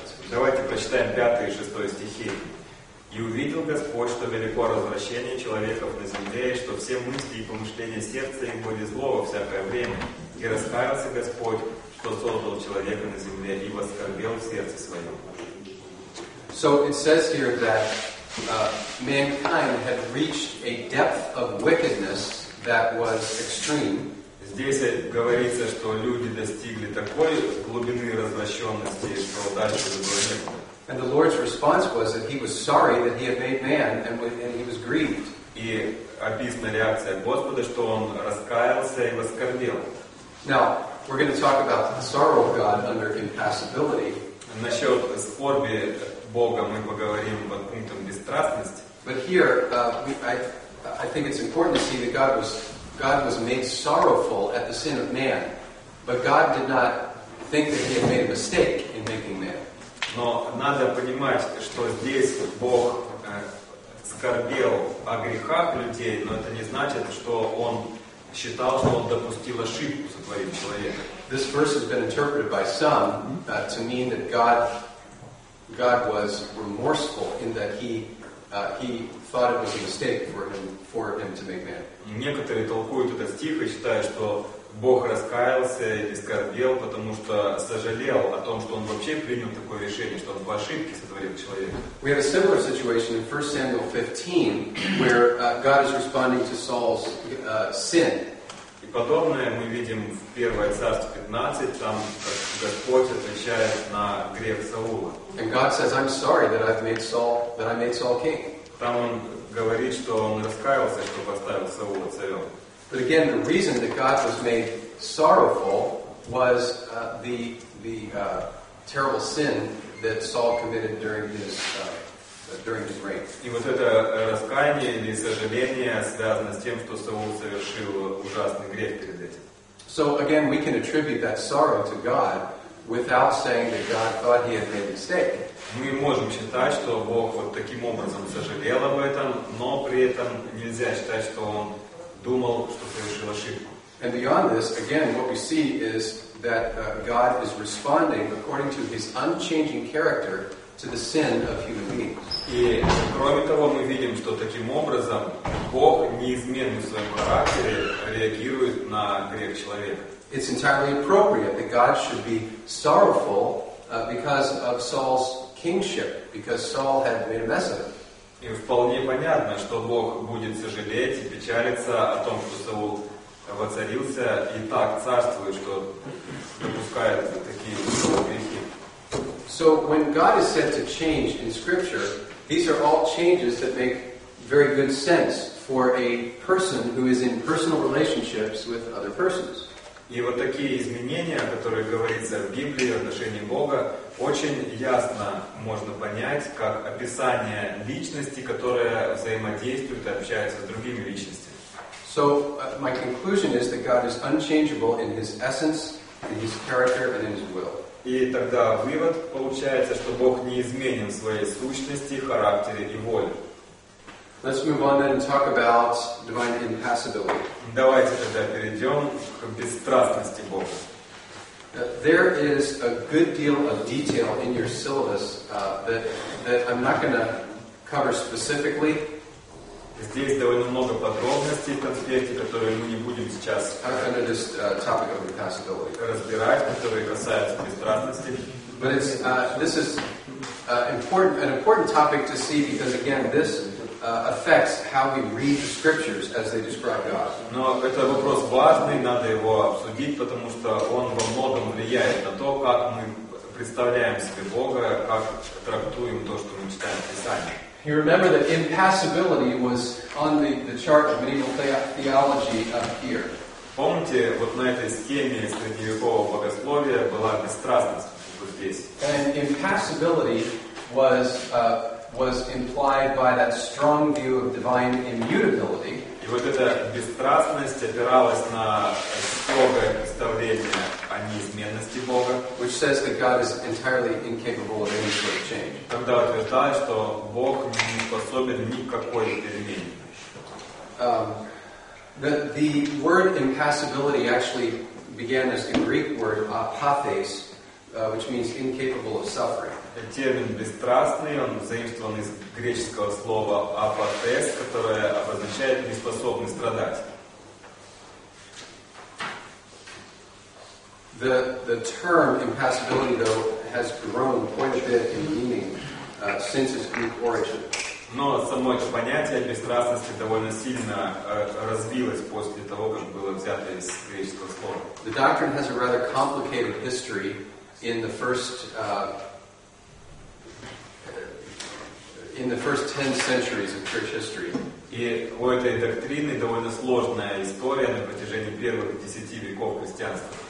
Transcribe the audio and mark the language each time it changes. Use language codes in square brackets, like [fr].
[ru] Давайте прочитаем 5 и 6 стихи. «И увидел Господь, что велико развращение человеков на земле, и что все мысли и помышления сердца их были зло во всякое время. И раскаялся Господь, что создал человека на земле, и воскорбел в сердце своем». [en] So it says here that mankind had reached a depth of wickedness that was extreme. [ru] Здесь говорится, что люди достигли такой глубины развращенности, что дальше было некуда. [en] And the Lord's response was that He was sorry that He had made man, and He was grieved. [ru] И описана реакция Господа, что он раскаялся и воскорбел. [en] Now, we're going to talk about the sorrow of God under impassibility. [ru] Насчет скорби Бога мы поговорим под пунктом бесстрастности. [en] But here, I think it's important to see that God was made sorrowful at the sin of man, but God did not think that he had made a mistake in making man. [ru] Но надо понимать, что здесь Бог скорбел о грехах людей, но это не значит, что он считал, что он допустил ошибку сотворить человека. [en] This verse has been interpreted by some to mean that God was remorseful in that he thought it was a mistake for him to make man. [ru] Некоторые толкуют этот стих и считают, что Бог раскаялся и скорбел, потому что сожалел о том, что он вообще принял такое решение, что он по ошибке сотворил человека. [en] We have a similar situation in 1 Samuel 15, where God is responding to Saul's sin. [ru] И подобное мы видим в 1 Царство 15, там Господь отвечает на грех Саула. [en] And God says, I'm sorry that I made Saul king. [ru] Там он говорит, что он раскаялся, что поставил Саула царем. [en] But again, the reason that God was made sorrowful was the terrible sin that Saul committed during his reign. [ru] И вот это раскаяние или сожаление связано с тем, что Саул совершил ужасный грех перед этим. [en] So again, we can attribute that sorrow to God without saying that God thought he had made a mistake. [ru] Мы можем считать, что Бог вот таким образом сожалел об этом, но при этом нельзя считать, что он думал, что совершил ошибку. [en] And beyond this, again, what we see is that God is responding according to his unchanging character to the sin of human beings. [ru] И кроме того, мы видим, что таким образом Бог неизменно в своем характере реагирует на грех человека. [en] It's entirely appropriate that God should be sorrowful because of Saul's kingship, because Saul had made a mess of it. [ru] И вполне понятно, что Бог будет сожалеть и печалиться о том, что Саул воцарился и так царствует, что допускает такие грехи. [en] So when God is said to change in Scripture, these are all changes that make very good sense for a person who is in personal relationships with other persons. [ru] И вот такие изменения, о которых говорится в Библии в отношении Бога, очень ясно можно понять как описание личности, которая взаимодействует и общается с другими личностями. [en] So my conclusion is that God is unchangeable in his essence, in his character, and in his will. [ru] И тогда вывод получается, что Бог неизменен в своей сущности, характере и воле. [en] Let's move on then and talk about divine impassibility. [ru] Давайте тогда перейдем к бесстрастности Бога. [en] There is a good deal of detail in your syllabus that I'm not going to cover specifically. [ru] Здесь довольно много подробностей в конспекте, которые мы не будем сейчас [en] topic of impassibility. [ru] Разбирать, которые касаются бесстрастности. [en] But it's this is an important topic to see because again this affects how we read the scriptures as they describe God. [ru] Но это вопрос важный, надо его обсудить, потому что он во многом влияет на то, как мы представляем себе Бога, как трактуем то, что мы читаем в Писании. [en] You remember that impassibility was on the chart of medieval theology up here. [ru] Помните, вот на этой схеме средневекового богословия была бесстрастность вот здесь. [en] And impassibility was implied by that strong view of divine immutability. [ru] И вот эта бесстрастность опиралась на строгое представление о неизменности Бога, [en] which says that God is entirely incapable of any sort of change. [ru] Тогда утверждали, что Бог не способен никакой перемене. [en] The word impassibility actually began as the Greek word apathēs, which means incapable of suffering. [ru] Термин «бесстрастный» он заимствован из греческого слова «апатес», которое обозначает «неспособный страдать». [en] The term impassibility, though, has grown quite a bit in meaning since its Greek origin. [ru] Но само это понятие бесстрастности довольно сильно развилось после того, как было взято из греческого слова. [en] The doctrine has a rather complicated history in the first in the first 10 centuries of church history. [ru] И у этой доктрины довольно сложная история на протяжении первых 10 веков христианства.